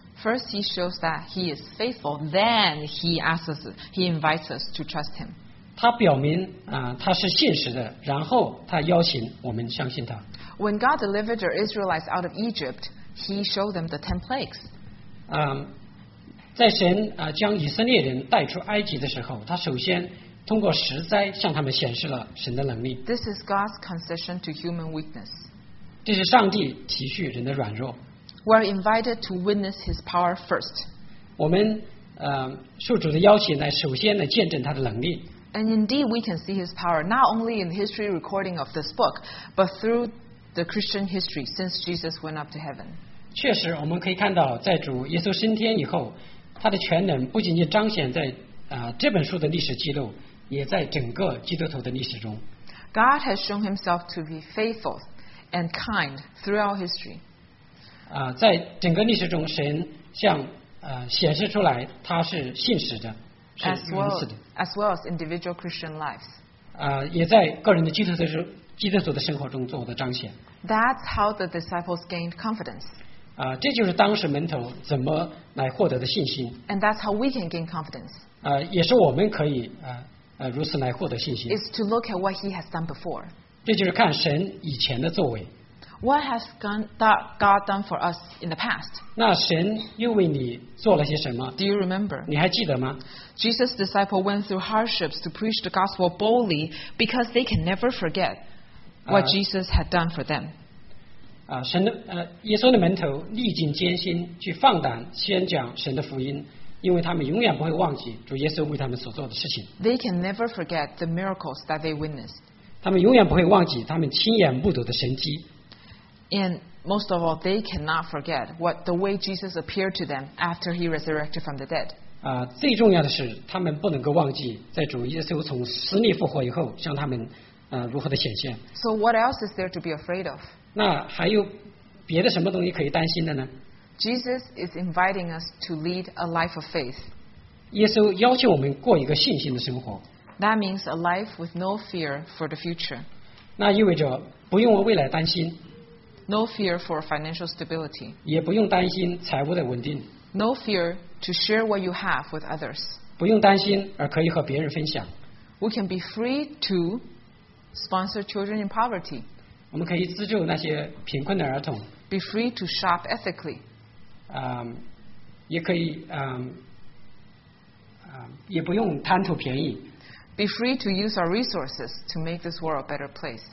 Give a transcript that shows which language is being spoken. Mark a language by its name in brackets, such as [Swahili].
[English] First he shows that he is faithful, then he asks us, he invites us to trust him. [Chinese] 他表明他是信实的，然后他邀请我们相信他。 [English] When God delivered the Israelites out of Egypt, he showed them the 10 plagues. [Chinese] 在神将以色列人带出埃及的时候，他首先通过十灾向他们显示了神的能力。 [English] This is God's concession to human weakness. [Chinese] 这是上帝体恤人的软弱。 [English] We are invited to witness His power first. [Chinese] 我们受主的邀请来首先来见证他的能力。 [English] And indeed, we can see His power not only in history recording of this book, but through the Christian history since Jesus went up to heaven. [Chinese] 确实，我们可以看到，在主耶稣升天以后。他的全能不仅仅彰显在这本书的历史记录，也在整个基督徒的历史中。 [English] God has shown himself to be faithful and kind throughout history. [Chinese] 在整个历史中，神向显示出来他是信实的，是仁慈的。 [English] As well as individual Christian lives. [Chinese] 也在个人的基督徒的生活中做的彰显。 [English] That's how the disciples gained confidence. [Chinese] 这就是当时门徒怎么来获得的信心。 [English] And that's how we can gain confidence. [Chinese] 也是我们可以如此来获得信心。 [English] Is to look at what he has done before. [Chinese] 这就是看神以前的作为。 [English] What has God done for us in the past? [Chinese] 那神又为你做了些什么？ [English] Do you remember? [Chinese] 你还记得吗？ [English] Jesus' disciples went through hardships to preach the gospel boldly because they can never forget what Jesus had done for them. [Chinese] 耶稣的门徒历尽艰辛去放胆宣讲神的福音，因为他们永远不会忘记主耶稣为他们所做的事情。 [English] They can never forget the miracles that they witnessed. [Chinese] 他们永远不会忘记他们亲眼目睹的神迹。 [English] And most of all, they cannot forget what the way Jesus appeared to them after he resurrected from the dead. [Chinese] 最重要的是他们不能够忘记在主耶稣从死里复活以后向他们如何的显现。 [English] So what else is there to be afraid of? [Chinese] 那还有别的什么东西可以担心的呢？ [English] Jesus is inviting us to lead a life of faith. [Chinese] 耶稣邀请我们过一个信心的生活。 [English] That means a life with no fear for the future. [Chinese] 那意味着不用为未来担心。 [English] No fear for financial stability. [Chinese] 也不用担心财务的稳定。 [English] No fear to share what you have with others. [Chinese] 不用担心而可以和别人分享。 [English] We can be free to sponsor children in poverty. [Chinese] 我们可以资助那些贫困的儿童。 [English] Be free to shop ethically. [Chinese] 也可以也不用贪图便宜。 [English] Be free to use our resources to make this world a better place.